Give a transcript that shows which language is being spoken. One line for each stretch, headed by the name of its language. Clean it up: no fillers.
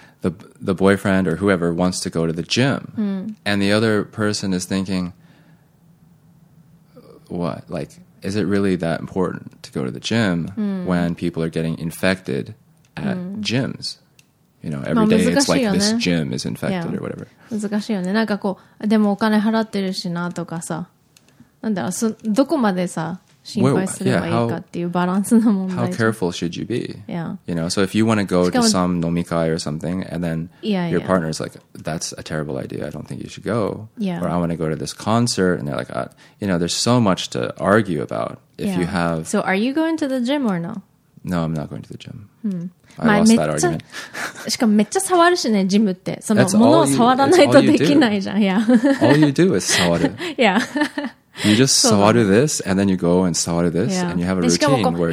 English: The boyfriend or whoever wants to go to the gym and the other person is thinking what like is it really that important to go to the gym when people are getting infected at gyms you know every day it's like this gym is infected or whatever
Japanese: 難しいよねなんかこうでもお金払ってるしなとかさなんだろうどこまでさ心配すればいいかっていうバランスの問題。
English: How careful should you be? Yeah. You know, so if you want to go to some 飲み会 or something, and then your partner is like, that's a terrible idea, I don't think you should go. Yeah. Or I want to go to this concert, and they're like, you know, there's so much to argue about if you have... So are you going to the gym or no? No, I'm not going to the gym. I lost that argument.
Japanese: しかもめっちゃ触るしね、ジムって。その物を触らないとできないじゃん。
English: Yeah. All you do is 触る。 Yeah. You just sawaru this, and then you go and sawaru this, and you have a routine where